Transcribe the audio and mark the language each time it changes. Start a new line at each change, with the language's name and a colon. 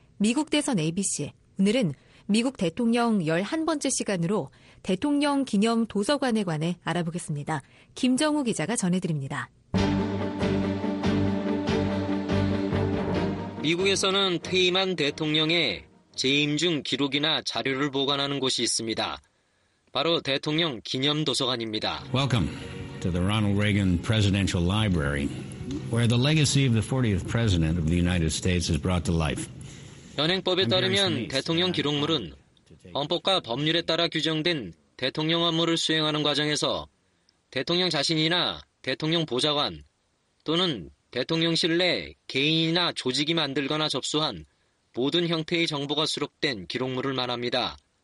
Korean: 미국 대선 ABC, 오늘은 미국 대통령 11번째 시간으로 대통령 기념 도서관에 관해 알아보겠습니다. 김정우 기자가 전해드립니다. 미국에서는 퇴임한 대통령의 재임 중 기록이나 자료를 보관하는 곳이 있습니다. 바로 대통령 기념 도서관입니다.
English: Welcome to the Ronald Reagan Presidential Library, where the legacy of the 40th President of the United States is brought to life.
Korean: 현행법에 따르면 대통령 기록물은 헌법과 법률에 따라 규정된 대통령 업무를 수행하는 과정에서 대통령 자신이나 대통령 보좌관 또는 대통령실 내 개인이나 조직이 만들거나 접수한 모든 형태의 정보가 수록된 기록물을 말합니다.